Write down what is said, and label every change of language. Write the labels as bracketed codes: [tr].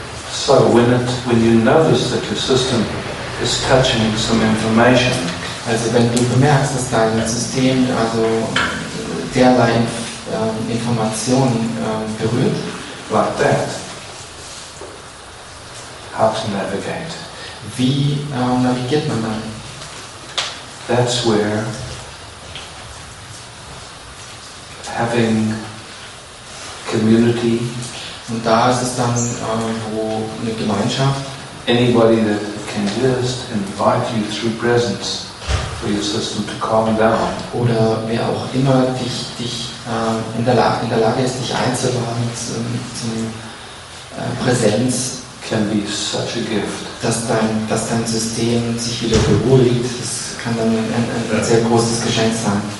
[en] So when you notice that your system is touching some information, [de] also wenn du bemerkst, dass dein System also derlei Informationen berührt, [en] like that, how to navigate? [de] Wie navigiert man dann? [en] That's where having community. [de] Und da ist es dann, wo eine Gemeinschaft, [en] anybody that can just invite you through presence for your system to calm down, [de] oder wer auch immer dich in der Lage ist, dich einzuladen zum Präsenz, [en] can be such a gift, [de] dass dein System sich wieder beruhigt. Das kann dann ein sehr großes Geschenk sein.